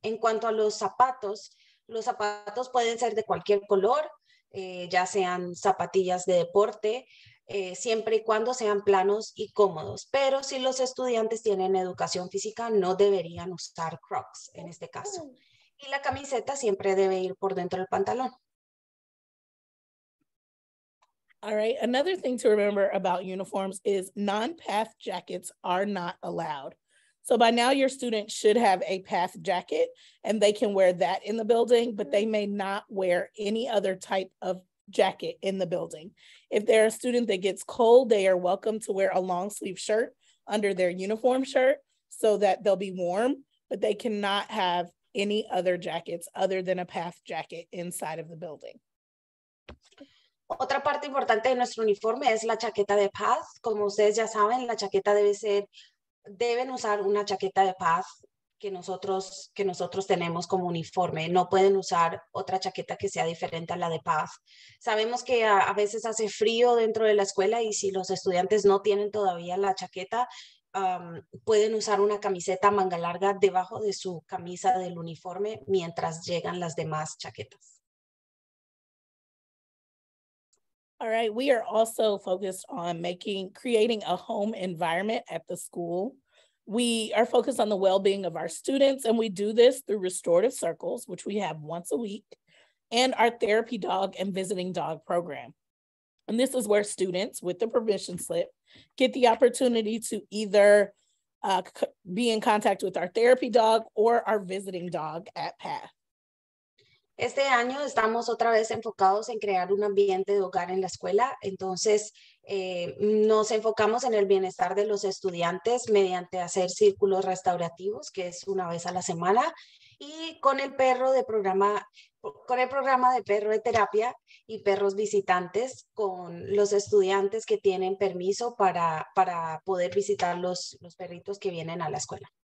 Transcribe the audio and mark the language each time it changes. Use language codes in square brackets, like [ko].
[es] En cuanto a los zapatos pueden ser de cualquier color, ya sean zapatillas de deporte, siempre y cuando sean planos y cómodos. Pero si los estudiantes tienen educación física, no deberían usar Crocs en este caso. Y la camiseta siempre debe ir por dentro del pantalón. [en] All right, another thing to remember about uniforms is non-PATH jackets are not allowed. So by now your students should have a PATH jacket and they can wear that in the building, but they may not wear any other type of jacket in the building. If they're a student that gets cold, they are welcome to wear a long sleeve shirt under their uniform shirt so that they'll be warm, but they cannot have any other jackets other than a PATH jacket inside of the building. [es] Otra parte importante de nuestro uniforme es la chaqueta de PATH. Como ustedes ya saben, la chaqueta deben usar una chaqueta de PATH que nosotros tenemos como uniforme. No pueden usar otra chaqueta que sea diferente a la de PATH. Sabemos que a veces hace frío dentro de la escuela y si los estudiantes no tienen todavía la chaqueta, pueden usar una camiseta manga larga debajo de su camisa del uniforme mientras llegan las demás chaquetas. [en] All right, we are also focused on creating a home environment at the school. We are focused on the well-being of our students, and we do this through restorative circles, which we have once a week, and our therapy dog and visiting dog program. And this is where students with the permission slip get the opportunity to either be in contact with our therapy dog or our visiting dog at PATH. [es] Este año estamos otra vez enfocados en crear un ambiente de hogar en la escuela. Entonces, nos enfocamos en el bienestar de los estudiantes mediante hacer círculos restaurativos, que es una vez a la semana, y con el programa de perro de terapia y perros visitantes con los estudiantes que tienen permiso para poder visitar los perritos que vienen a la escuela.